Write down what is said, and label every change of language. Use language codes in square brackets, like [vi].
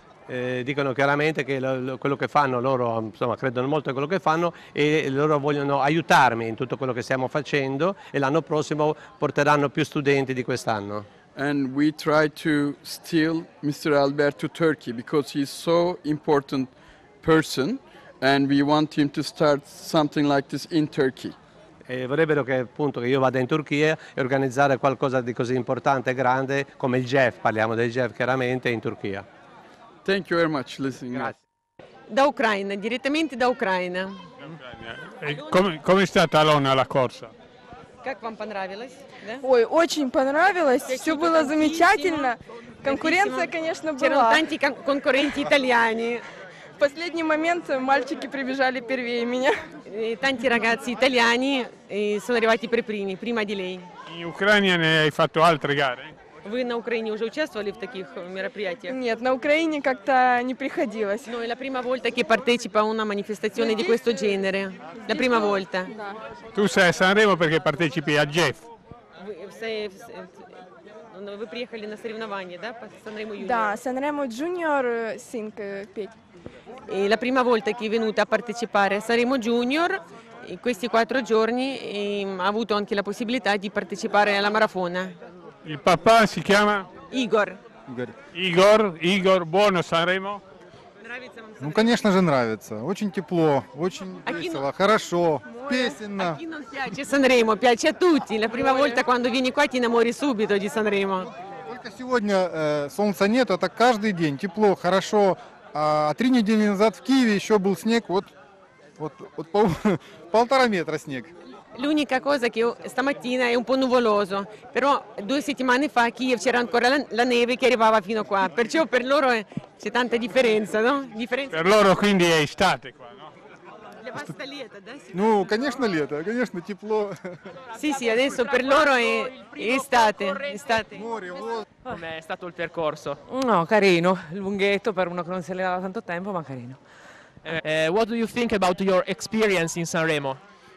[it] Dicono chiaramente che quello che fanno loro, insomma, credono molto in quello che fanno e loro vogliono aiutarmi in tutto quello che stiamo facendo e l'anno prossimo porteranno più studenti di quest'anno. [en] And we try to steal Mr. Albert to Turkey because he's so important person and we want him to start something like this in Turkey. [it] E vorrebbero che appunto che io vada in Turchia e organizzare qualcosa di così importante e grande come il GEF, parliamo del GEF chiaramente, in Turchia. [en] Thank you very much, listening. [it] Grazie. Da Ucraina, direttamente da Ucraina. E come è stata Alona la corsa? [ru] Как вам понравилось? Да? Ой, очень понравилось, все было замечательно. Конкуренция, конечно, была. Тиранданти конкуренти итальяне. В последний момент мальчики прибежали первее меня. [it] Tanti ragazzi italiani sono arrivati per primi, prima di lei. In Ucraina ne hai fatto altre gare? [ru] Вы на Украине уже участвовали в таких мероприятиях? Нет, на Украине как-то не приходилось. [it] Ну, la prima volta che partecipa a una manifestazione di questo genere. La prima volta. Tu sei a Sanremo perché partecipi a Jeff? [ru] Вы приехали на соревнования, да, по Sanremo Junior? Да, Sanremo Junior Sing [it] E la prima volta che è venuta a partecipare a Sanremo Junior in questi quattro giorni ha avuto anche la possibilità di partecipare alla maratona. Il papà si chiama? Igor. Igor, buono Sanremo? [ru] Ну, конечно же, нравится. Очень тепло, очень весело, хорошо, песенно. [it] A chi non piace Sanremo? Piace a tutti. La prima volta quando vieni qua ti innamori subito di Sanremo. [ru] Только сегодня солнца нет, а так каждый день. Тепло, хорошо. А три недели назад в Киеве еще был снег, вот полтора метра снег. [it] L'unica cosa che stamattina è un po' nuvoloso, però due settimane fa a Kiev c'era ancora la neve che arrivava fino qua, perciò per loro c'è tanta differenza, no? Differenza. Per loro quindi è estate qua, no? [ru] Для вас это лето, да? Ну, конечно, лето, конечно, тепло. [it] Sì, sì, adesso per loro è estate, estate. Come è stato il percorso? No, carino, lunghetto per uno che non si allenava tanto tempo, ma carino. [en] What do you think about your experience in Sanremo?